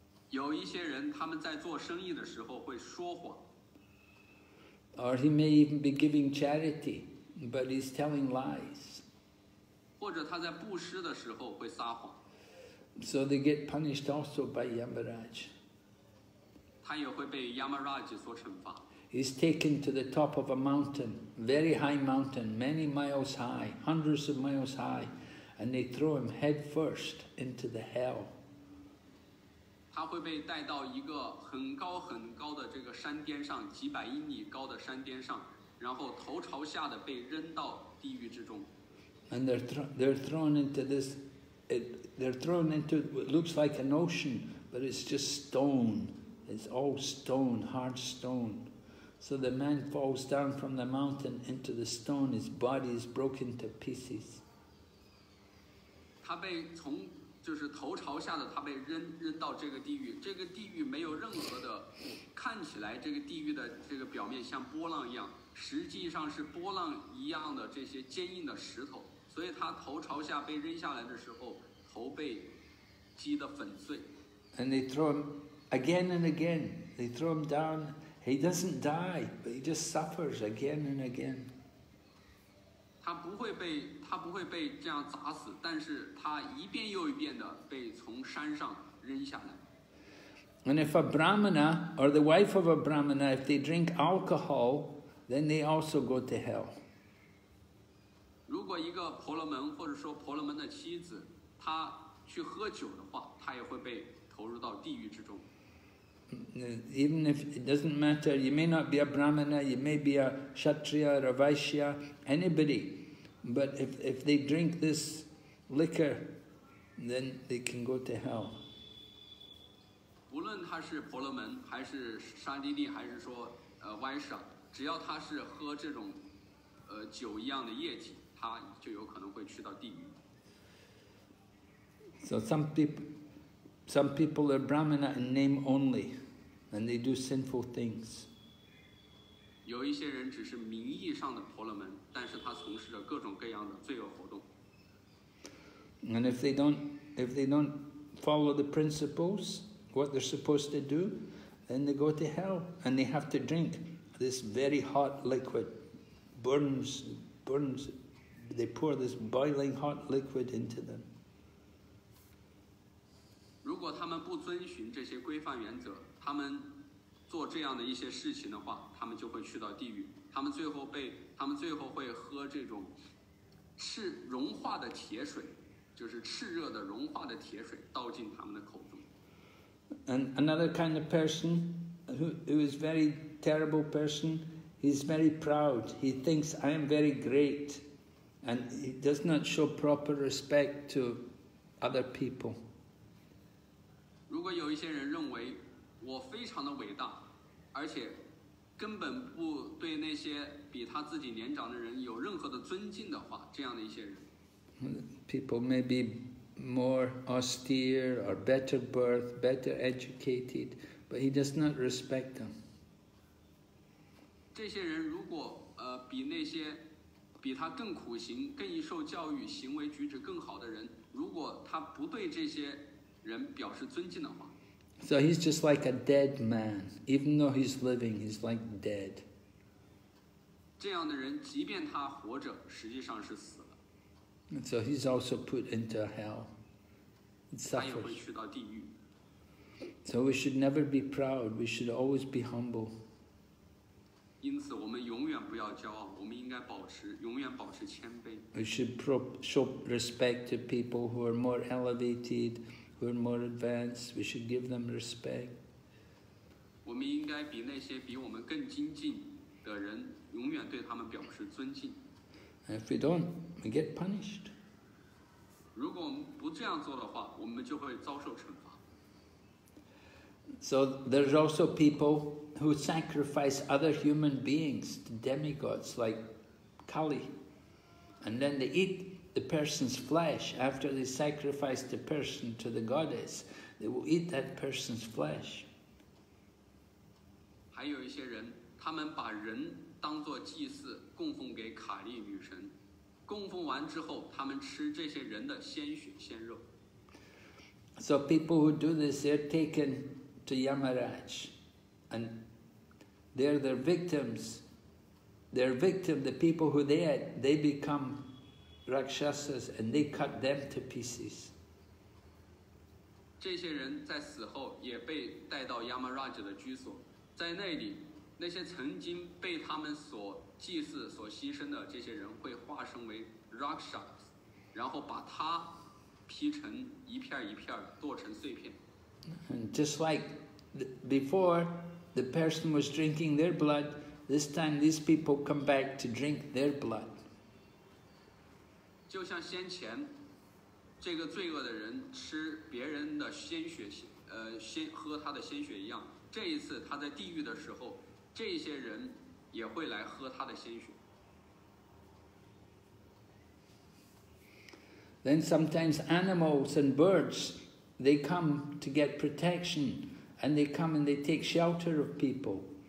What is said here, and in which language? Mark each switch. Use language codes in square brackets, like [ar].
[zh] 有一些人他们在做生意的时候会说谎。 [en] Or he may even be giving charity, but he's telling lies. [zh] 或者他在布施的时候会撒谎。 [en] So they get punished also by Yamaraj. [zh] 他也会被 Yamaraj 所惩罚。 [en] He's taken to the top of a mountain, very high mountain, many miles high, hundreds of miles high, and they throw him head first into the hell. [zh] 他会被带到一个很高很高的这个山巅上，几百英里高的山巅上，然后头朝下的被扔到地狱之中。 [en] And they're thrown into this. They're thrown into what looks like an ocean, but it's just stone. It's all stone, hard stone. So the man falls down from the mountain into the stone. His body is broken to pieces. [zh] 他被从就是头朝下的，他被扔到这个地狱。这个地狱没有任何的，看起来这个地狱的这个表面像波浪一样，实际上是波浪一样的这些坚硬的石头。所以他头朝下被扔下来的时候。头被击得粉碎。 [en] And they throw him again and again. They throw him down. He doesn't die, but he just suffers again and again. [zh] 他不会被这样砸死，但是他一遍又一遍的被从山上扔下来。 [en] And if a brahmana or the wife of a brahmana, if they drink alcohol, then they also go to hell. [zh] 如果一个婆罗门或者说婆罗门的妻子他去喝酒的话，他也会被投入到地狱之中。 [en] Even if it doesn't matter, you may not be a brahmana, you may be a kshatriya or a vaishya, anybody. But if they drink this liquor, then they can go to hell. [zh] 无论他是婆罗门，还是沙帝利，还是说vaishya，只要他是喝这种酒一样的液体，他就有可能会去到地狱。 [en] So some people are Brahmana in name only, and they do sinful things. [zh] 有一些人只是名义上的婆罗门，但是他从事着各种各样的罪恶活动。 [en] And if they don't follow the principles, what they're supposed to do, then they go to hell, and they have to drink this very hot liquid. Burns. They pour this boiling hot liquid into them. [zh] 如果他们不遵循这些规范原则，他们做这样的一些事情的话，他们就会去到地狱。他们最后会喝这种赤融化的铁水，就是炽热的融化的铁水倒进他们的口中。 [en] And another kind of person, who is very terrible person, he's very proud. He thinks I am very great, and he does not show proper respect to other people. [zh] 如果有一些人认为我非常的伟大，而且根本不对那些比他自己年长的人有任何的尊敬的话，这样的一些人 [en] ，people may be more austere or better birth, better educated, but he does not respect them. [zh] 这些人如果比那些比他更苦行、更易受教育、行为举止更好的人，如果他不对这些人表示尊敬的话。 [en] So he's just like a dead man. Even though he's living, he's like dead. [zh] 这样的人，即便他活着，实际上是死了。 [en] And so he's also put into hell. He suffers. [zh] 他也会去到地狱。 [en] So we should never be proud. We should always be humble. [zh] 因此，我们永远不要骄傲。我们应该保持，永远保持谦卑。 [en] We should show respect to people who are more elevated. We're more advanced. We should give them respect. [zh] 我们应该比那些比我们更精进的人，永远对他们表示尊敬。 [en] If we don't, we get punished. [zh] 如果我们不这样做的话，我们就会遭受惩罚。 [en] So there's also people who sacrifice other human beings to demigods like Kali, and then they eat. The person's flesh, after they sacrifice the person to the goddess, they will eat that person's flesh. [zh] 还有一些人，他们把人当作祭祀，供奉给卡利女神。供奉完之后，他们吃这些人的鲜血鲜肉。 [en] So people who do this, they're taken to Yamaraj, and they're their victims. Their victim, the people who they ate, they become. Rakshasas and they cut them to pieces. [zh] 这些人在死后也被带到 Yamaraj 的居所，在那里，那些曾经被他们所祭祀、所牺牲的这些人会化身为 Rakshas， 然后把他劈成一片一片，剁成碎片。 [en] And just like before, the person was drinking their blood. This time, these people come back to drink their blood. [zh] 就像先前这个罪恶的人吃别人的鲜血先喝他的鲜血一样，这一次他在地狱的时候，这些人也会来喝他的鲜血。 [en] Then sometimes animals and birds, they come to get protection, and they come and they take shelter of people.